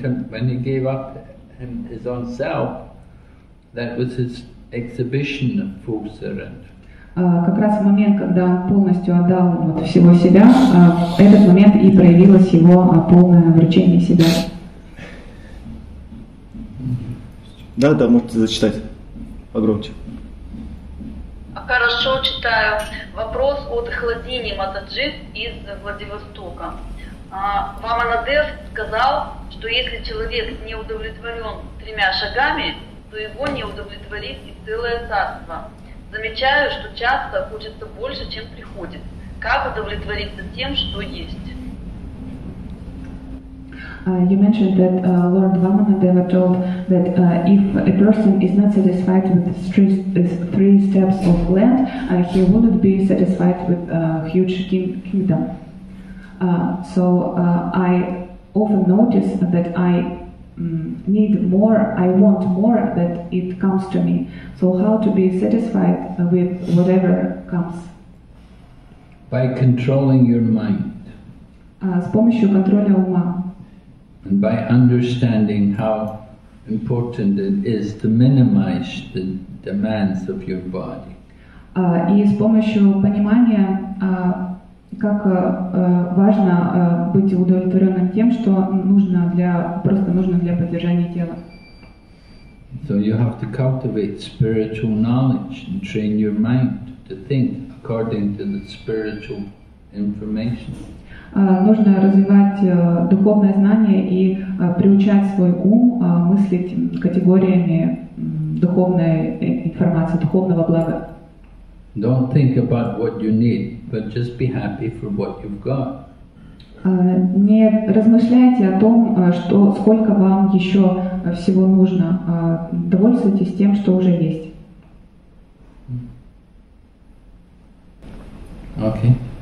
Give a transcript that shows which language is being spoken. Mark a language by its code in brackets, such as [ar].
[en] When he gave up his own self, that was his exhibition of full surrender. [ru] Как раз в момент, когда он полностью отдал вот всего себя, этот момент и проявилось его полное вручение себя. Да, да, можете зачитать погромче. Хорошо, читаю. Вопрос от Хладини Матаджи из Владивостока. Вамандев сказал, что если человек не удовлетворен тремя шагами, то его не удовлетворит и целое царство. Замечаю, что часто хочется больше, чем приходит. Как удовлетвориться тем, что есть? [en] You mentioned that Lord Vamanadeva told that if a person is not satisfied with three steps of land, he wouldn't be satisfied with a huge kingdom. So I often notice that I need more, I want more, that it comes to me. So how to be satisfied with whatever comes? By controlling your mind. [ru] С помощью контроля ума. [en] And by understanding how important it is to minimize the demands of your body. [ru] И с помощью понимания, как важно быть удовлетворенным тем, что нужно для, просто нужно для поддержания тела. [en] So you have to cultivate spiritual knowledge and train your mind to think according to the spiritual information. [ru] Нужно развивать духовное знание и приучать свой ум мыслить категориями духовной информации, духовного блага. [en] Don't think about what you need, but just be happy for what you've got. [ru] Не размышляйте о том, что сколько вам еще всего нужно. Довольствуйтесь тем, что уже есть. [en] Okay.